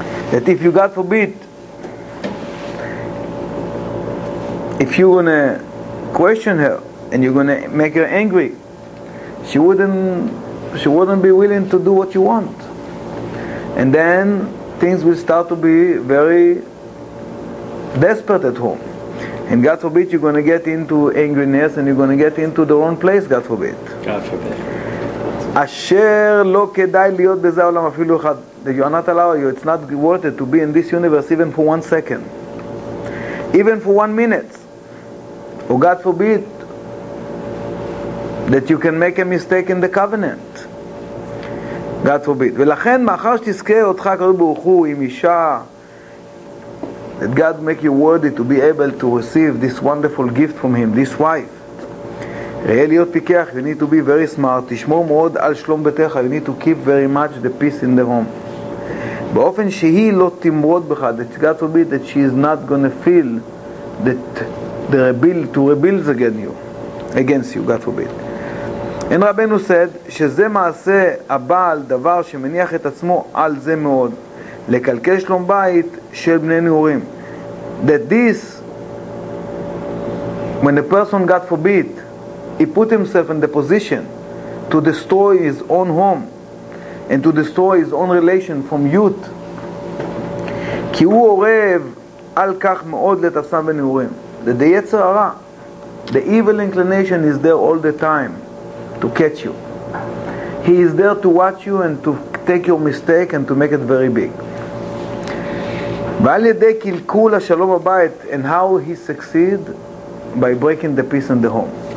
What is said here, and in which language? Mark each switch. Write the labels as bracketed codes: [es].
[en] That if you, God forbid, if you're going to question her and you're going to make her angry, she wouldn't be willing to do what you want. And then things will start to be very desperate at home. And God forbid, you're going to get into angriness and you're going to get into the wrong place, God forbid. God forbid. [he] אשר לא כדאי להיות בזה עולם אפילו אחד. [en] That you are not allowed, it's not worth it to be in this universe even for 1 second. Even for 1 minute. Or God forbid that you can make a mistake in the covenant. God forbid. [he] ולכן מאחר שתזכה אותך קודם ברוך הוא [en] עם אישה, that God make you worthy to be able to receive this wonderful gift from him, this wife. [he] ראה להיות פיקח, [en] you need to be very smart. [he] תשמור מאוד על שלום ביתך, [en] you need to keep very much the peace in the home. [he] באופן שהיא לא תמרוד בך, [en] that God forbid that she is not going to feel that to rebuild against you, God forbid. [he] אין רבנו said, שזה מעשה הבעל דבר שמניח את עצמו על זה מאוד, לקלקל שלום בית של בני נעורים. [en] That this, when a person, God forbid, he put himself in the position to destroy his own home and to destroy his own relation from youth. [he] כי הוא אורב על כך מאוד לתפסם בנעורים. [en] That the יצר הרע, the evil inclination is there all the time to catch you. He is there to watch you and to take your mistake and to make it very big. [he] ועל ידי קלקול השלום הבית, [en] and how he succeed by breaking the peace in the home.